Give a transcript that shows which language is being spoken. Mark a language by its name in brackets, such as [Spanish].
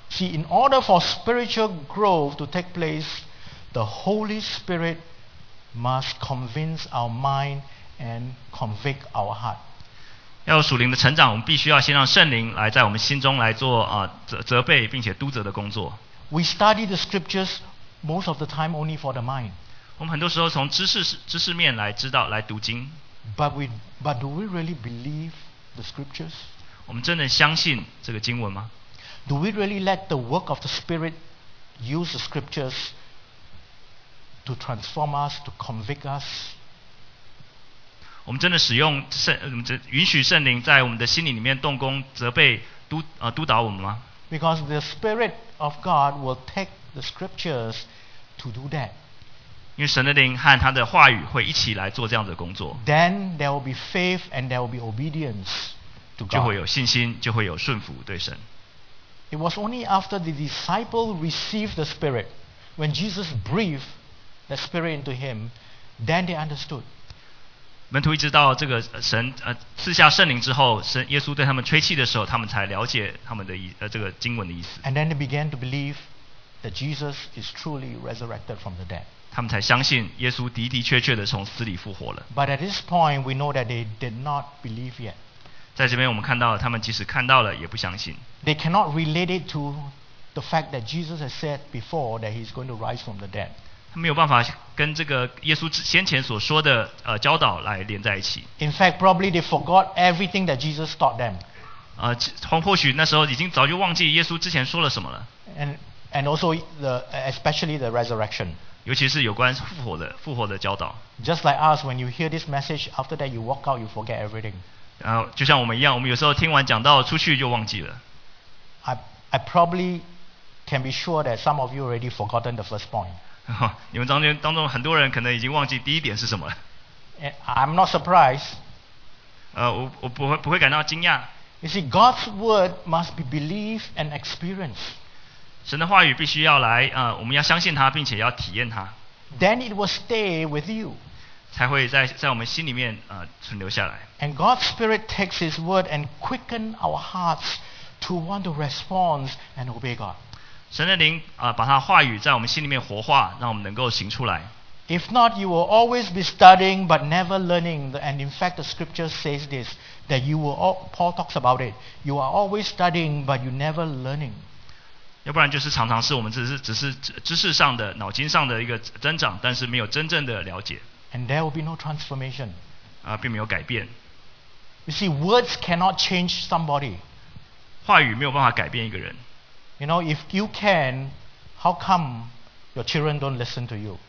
[English] See, in order for spiritual growth to take place, the Holy Spirit must convince our mind and convict our heart. [Chinese] 要属灵的成长，我们必须要先让圣灵来在我们心中来做啊责备并且督责的工作。 [English] We study the scriptures most of the time only for the mind. [Chinese] 我们很多时候从知识面来知道来读经。 [English] But do we really believe the scriptures? [Chinese] 我们真的相信这个经文吗？ [English] Do we really let the work of the Spirit use the scriptures to transform us, to convict us? [Chinese] 我们真的使用允许圣灵在我们的心里面动工责备 督导我们吗？ [English] Because the Spirit of God will take the scriptures to do that. [Chinese] 因为神的灵和他的话语会一起来做这样的工作。 [English] Then there will be faith and there will be obedience to God. [Chinese] 就会有信心，就会有顺服对神。 [English] It was only after the disciple received the Spirit, when Jesus breathed the Spirit into him, then they understood. [Chinese] 门徒一直到这个神赐下圣灵之后，神耶稣对他们吹气的时候，他们才了解他们的这个经文的意思。 [English] And then they began to believe that Jesus is truly resurrected from the dead. [Chinese] 他们才相信耶稣的的确确的从死里复活了。 [English] But at this point, we know that they did not believe yet. [Chinese] 在这边我们看到，他们即使看到了，也不相信。 [English] They cannot relate it to the fact that Jesus has said before that he is going to rise from the dead. [Chinese] 他没有办法跟这个耶稣先前所说的教导来连在一起。 [English] In fact, probably they forgot everything that Jesus taught them. [Chinese] 或许那时候已经早就忘记耶稣之前说了什么了。 [English] And also especially the resurrection. [Chinese] 尤其是有关复活的教导。 [English] Just like us, when you hear this message, after that you walk out, you forget everything. [Chinese] 就像我们一样，我们有时候听完讲道出去就忘记了。 [English] I probably can be sure that some of you already forgotten the first point. [Chinese] 你们当中很多人可能已经忘记第一点是什么了。 [English] I'm not surprised. [Chinese] 我不会感到惊讶。 [English] You see, God's word must be believed and experienced. [Chinese] 神的话语必须要来，我们要相信它，并且要体验它。 [English] Then it will stay with you. [Chinese] 才会在我们心里面存留下来。 [English] And God's Spirit takes His word and quicken our hearts. To want to respond and obey God. [Chinese] 神的灵把他话语在我们心里面活化，让我们能够行出来。 [English] If not, you will always be studying but never learning. And in fact, the scripture says this, that you will all, Paul talks about it. You are always studying but you never learning. [Chinese] 要不然就是常常是我们只是知识上的、脑筋上的一个增长，但是没有真正的了解。 [English] And there will be no transformation. [Chinese] 并没有改变。 [English] You see, words cannot change somebody. [Chinese] 话语没有办法改变一个人。 [English] You know, if you can, how come your children don't listen to you?